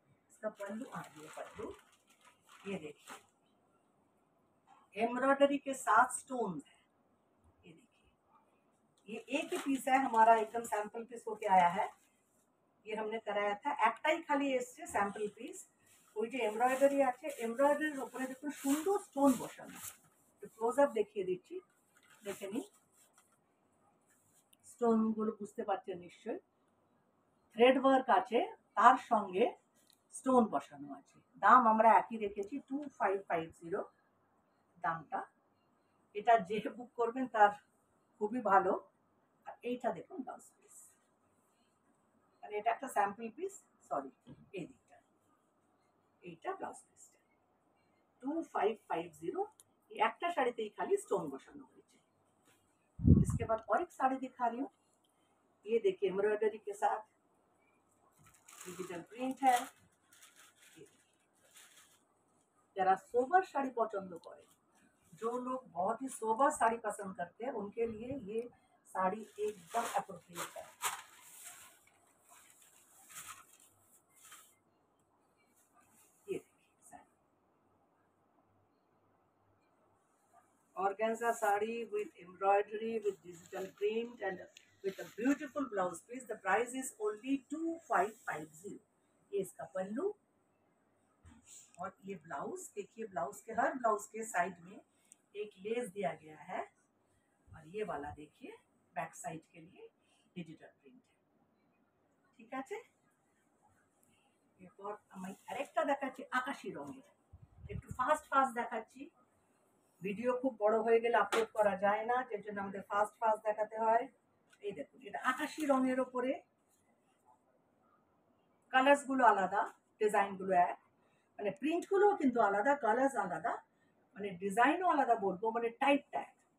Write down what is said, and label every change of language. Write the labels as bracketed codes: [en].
[hi] इसका पल्लू आगे पल्लू ये देखिए, एम्ब्रॉयडरी के साथ स्टोन है, ये देखिए, ये एक ही पीस है हमारा, एकदम सैंपल पीस होके आया है, ये हमने कराया था एकटा ही खाली इससे सैंपल पीस। [bn] ওই যে এমব্রয়ডারি আছে, এমব্রয়ডারির উপরে দেখুন সুন্দর স্টোন বসানো, একটু ক্লোজ আপ দেখিয়ে দিচ্ছি, দেখে নিন স্টোনগুলো, বুঝতে পারছেন নিশ্চয়ই, থ্রেড ওয়ার্ক আছে তার সঙ্গে স্টোন বসানো আছে। দাম আমরা একই রেখেছি 2550 দামটা, এটা যে বুক করবেন তার খুবই ভালো। আর এইটা দেখুন ব্লাউজ পিস, আর এটা একটা স্যাম্পল পিস, সরি এই দিকটা, এইটা ব্লাউজ পিস 2550। এই একটা শাড়িতেই খালি স্টোন বসানো হয়েছে। [hi] इसके बाद और एक साड़ी दिखा रही हूँ, ये देखिए एम्ब्रॉयडरी के साथ डिजिटल प्रिंट है। जरा सोबर साड़ी पसंद करे, जो लोग बहुत ही सोबर साड़ी पसंद करते हैं उनके लिए ये साड़ी एकदम अप्रोप्रिएट है। ये देखिए sari, [en] Organza sari with embroidery with digital print and with a beautiful blouse piece, the price is only 2550। [hi] ये इसका पल्लू और ये ब्लाउज देखिए, ब्लाउज के हर ब्लाउज के साइड में एक लेस दिया गया है, और ये वाला देखिए बैक साइड के लिए डिजिटल प्रिंट है, ठीक है। और मैं [bn] আরেকটা দেখাচ্ছি আকাশী রঙের, একটু ফাস্ট ফাস্ট দেখাচ্ছি, ভিডিও খুব বড় হয়ে গেলে আপলোড করা যায় না, যে জন্য আমাদের ফাস্ট ফাস্ট দেখাতে হয়। এই দেখুন এটা আকাশী রঙের ওপরে, কালার্স গুলো আলাদা, ডিজাইন গুলো এক, মানে প্রিন্ট গুলো কিন্তু আলাদা, কালার্স আলাদা, মানে ডিজাইনও আলাদা বলবো, মানে টাইপটা এক।